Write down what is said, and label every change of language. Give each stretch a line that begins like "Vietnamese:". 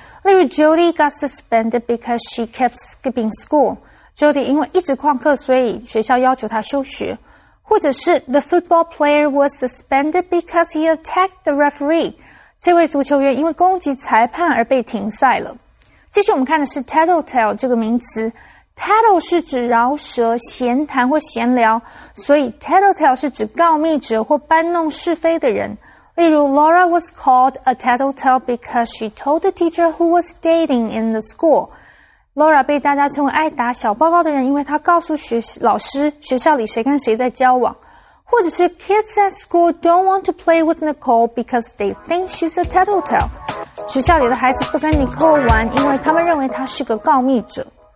Chinese: 例如
English: Jody got suspended because she kept skipping school.
Chinese: Jody 因为一直旷课，所以学校要求她休学。或者是
English: The football player was suspended because he attacked the referee.
Chinese: 这位足球员因为攻击裁判而被停赛了。接续我们看的是 tattletale 这个名词。Tattle 是指饶舌、闲谈或闲聊，所以 tattletale 是指告密者或搬弄是非的人。例如
English: ，Laura was called a tattletale because she told the teacher who was dating in the school.
Chinese: Laura 被大家称为爱打小报告的人，因为她告诉老师学校里谁跟谁在交往。或者是
English: ，Kids at school don't want to play with Nicole because they think she's a tattletale.
Chinese: 学校里的孩子不跟 Nicole 玩，因为他们认为她是个告密者。